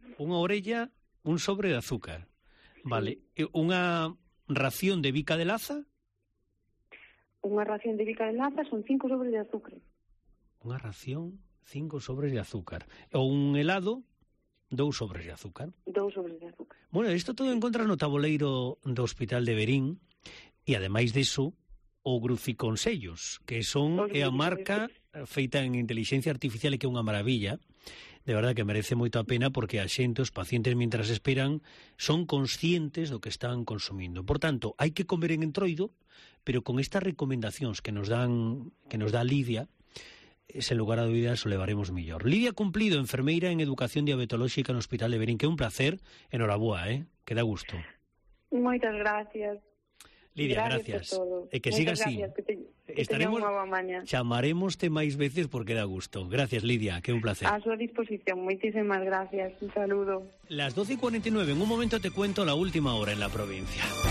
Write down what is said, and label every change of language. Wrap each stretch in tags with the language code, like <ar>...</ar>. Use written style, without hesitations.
<gl>Unha orella, un sobre de azúcar. Sí. Vale. Unha ración de bica de laza... Unha ración de bica de laza son 5 sobres de azúcar. Unha ración, 5 sobres de azúcar. Ou un helado, 2 sobres de azúcar. 2 sobres de azúcar. Bueno, isto todo encontra no taboleiro do Hospital de Verín. E ademais diso, o Gruciconsellos, que son a marca feita en inteligencia artificial e que é unha maravilla. De verdade que merece moito a pena porque a xente, os pacientes, mientras esperan, son conscientes do que están consumindo. Por tanto, hai que comer en entroido, pero con estas recomendacións que nos dá Lidia, sen lugar a dúbidas, o levaremos mellor. Lidia Cumplido, enfermeira en Educación Diabetolóxica no Hospital de Verín, que é un placer, enhorabuá, que dá gusto. Moitas gracias. Lidia, gracias. E que siga así. Estaremos, chamaremoste máis veces porque da gusto. Gracias, Lidia, que é un placer. A súa disposición, moitísimas gracias. Un saludo.</gl> <es>Las 12:49, en un momento te cuento la última hora en la provincia.</es>